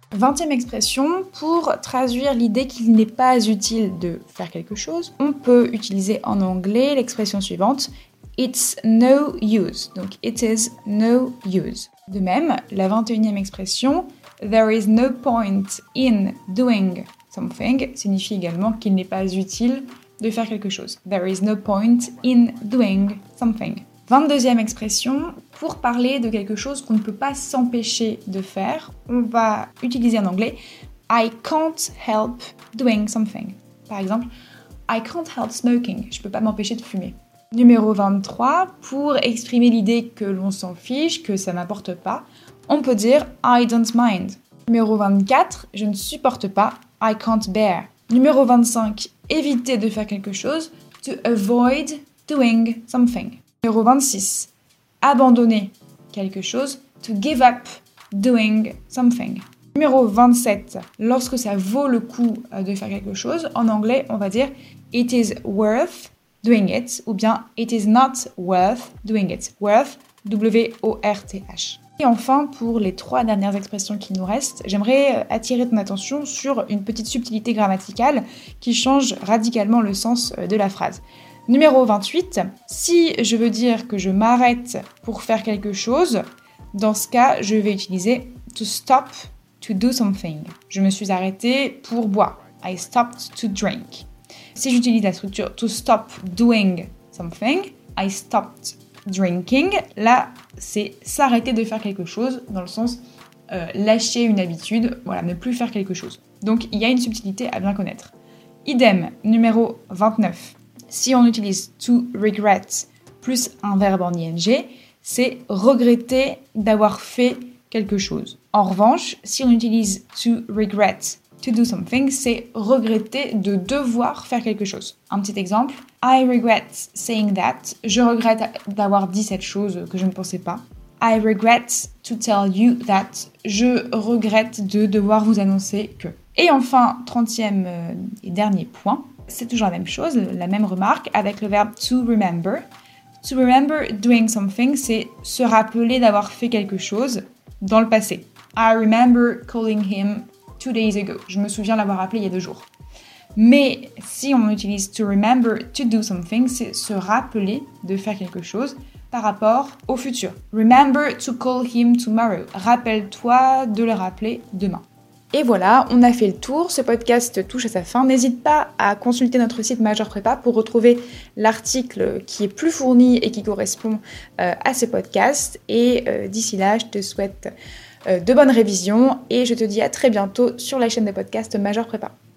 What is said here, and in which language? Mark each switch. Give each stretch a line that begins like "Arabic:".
French: 20e expression, pour traduire l'idée qu'il n'est pas utile de faire quelque chose, on peut utiliser en anglais l'expression suivante,
English: it's no use,
French: donc
English: it is no use.
French: De même, la 21e expression,
English: there is no point in doing something,
French: signifie également qu'il n'est pas utile de faire quelque chose.
English: There is no point in doing something.
French: 22e expression, pour parler de quelque chose qu'on ne peut pas s'empêcher de faire, on va utiliser en anglais
English: I can't help doing something.
French: Par exemple,
English: I can't help smoking.
French: Je ne peux pas m'empêcher de fumer. Numéro 23, pour exprimer l'idée que l'on s'en fiche, que ça n'importe pas, on peut dire
English: I don't mind.
French: Numéro 24, je ne supporte pas,
English: I can't bear.
French: Numéro 25, éviter de faire quelque chose,
English: to avoid doing something.
French: Numéro 26, abandonner quelque chose,
English: to give up doing something.
French: Numéro 27, lorsque ça vaut le coup de faire quelque chose, en anglais on va dire
English: it is worth doing it
French: ou bien
English: it is not worth doing it.
French: Worth, W-O-R-T-H. Et enfin, pour les trois dernières expressions qui nous restent, j'aimerais attirer ton attention sur une petite subtilité grammaticale qui change radicalement le sens de la phrase. Numéro 28, si je veux dire que je m'arrête pour faire quelque chose, dans ce cas, je vais utiliser
English: to stop to do something.
French: Je me suis arrêtée pour boire.
English: I stopped to drink.
French: Si j'utilise la structure
English: to stop doing something, I stopped drinking.
French: Là, c'est s'arrêter de faire quelque chose, dans le sens lâcher une habitude, voilà, ne plus faire quelque chose. Donc, il y a une subtilité à bien connaître. Idem, numéro 29. Si on utilise to regret plus un verbe en ing, c'est regretter d'avoir fait quelque chose. En revanche, si on utilise
English: to regret to do something,
French: c'est regretter de devoir faire quelque chose. Un petit exemple,
English: I regret saying that.
French: Je regrette d'avoir dit cette chose que je ne pensais pas.
English: I regret to tell you that.
French: Je regrette de devoir vous annoncer que. Et enfin, 30e et dernier point, c'est toujours la même chose, la même remarque avec le verbe to remember.
English: To remember doing something,
French: c'est se rappeler d'avoir fait quelque chose dans le passé.
English: I remember calling him 2 days ago.
French: Je me souviens l'avoir appelé il y a 2 jours. Mais si on utilise
English: to remember to do something,
French: c'est se rappeler de faire quelque chose par rapport au futur.
English: Remember to call him tomorrow.
French: Rappelle-toi de le rappeler demain. Et voilà, on a fait le tour, ce podcast touche à sa fin. N'hésite pas à consulter notre site Majeur Prépa pour retrouver l'article qui est plus fourni et qui correspond à ce podcast. Et d'ici là, je te souhaite de bonnes révisions et je te dis à très bientôt sur la chaîne de podcast Majeur Prépa.